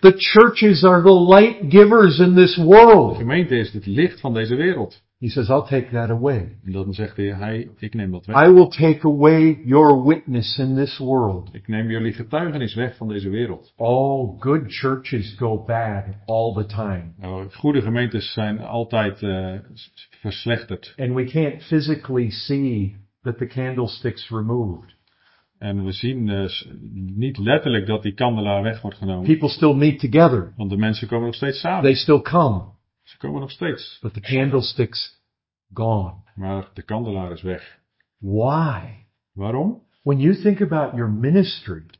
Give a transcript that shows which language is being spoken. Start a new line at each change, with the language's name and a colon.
English: The churches are the light givers in this world.
Dutch: De gemeente is het licht van deze wereld.
English: He says, I'll take that away.
Dutch: En dan zegt de Heer, ik neem dat weg.
English: I will take away your witness in this world.
Dutch: Ik neem jullie getuigenis weg van deze wereld.
English: All good churches go bad all the time.
Dutch: Nou, goede gemeentes zijn altijd verslechterd.
English: And we can't physically see that the candlestick's removed.
Dutch: En we zien dus niet letterlijk dat die kandelaar weg wordt genomen.
English: People still meet together.
Dutch: Want de mensen komen nog steeds samen.
English: They still come.
Dutch: Ze komen nog steeds.
English: But the candlestick's gone.
Dutch: Maar de kandelaar is weg.
English: Why?
Dutch: Waarom?
English: When you think about your ministry.